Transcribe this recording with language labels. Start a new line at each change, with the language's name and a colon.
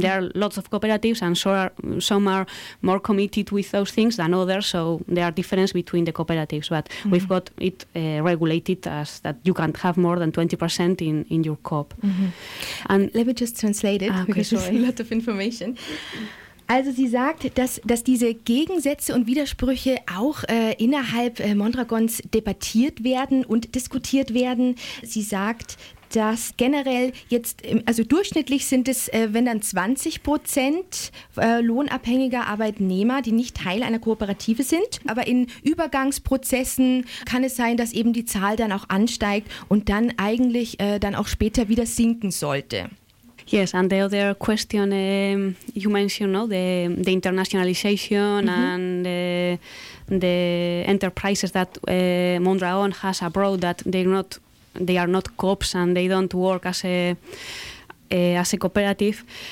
English: There are lots of cooperatives, and some are more committed with those things than others, so there are differences between the cooperatives, but mm-hmm. we've got it regulated as that you can't have more than 20% in your coop. Mm-hmm. And let me just translate it, because it's a lot of information.
German: Also sie sagt, dass diese Gegensätze und Widersprüche auch innerhalb Mondragons debattiert werden und diskutiert werden. Sie sagt, dass generell jetzt, also durchschnittlich sind es, wenn dann 20% lohnabhängiger Arbeitnehmer, die nicht Teil einer Kooperative sind. Aber in Übergangsprozessen kann es sein, dass eben die Zahl dann auch ansteigt und dann eigentlich dann auch später wieder sinken sollte.
English: Yes, and the other question you mentioned, no, the internationalization mm-hmm. and the enterprises that Mondragon has abroad, that they are not co-ops and they don't work as a cooperative.